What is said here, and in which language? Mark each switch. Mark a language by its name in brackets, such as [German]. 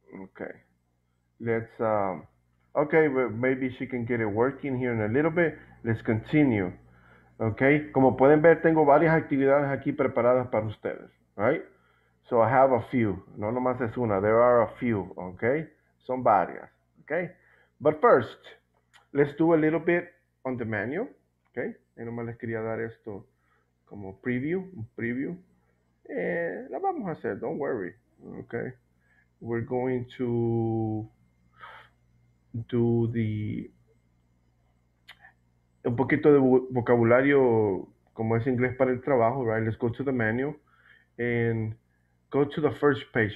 [English] Okay. Let's okay, but maybe she can get it working here in a little bit. Let's continue. [Spanish] Okay, como pueden ver, tengo varias actividades aquí preparadas para ustedes, right? [English] So I have a few. [Spanish] No nomás es una, there are a few, okay? Son varias, okay? [English] But first, let's do a little bit on the manual, okay? [Spanish] Y nomás les quería dar esto como un preview. [English] La vamos a hacer, don't worry, okay? We're going to do the... [Spanish] un poquito de vocabulario, como es inglés para el trabajo, right? [English] Let's go to the manual and go to the first page.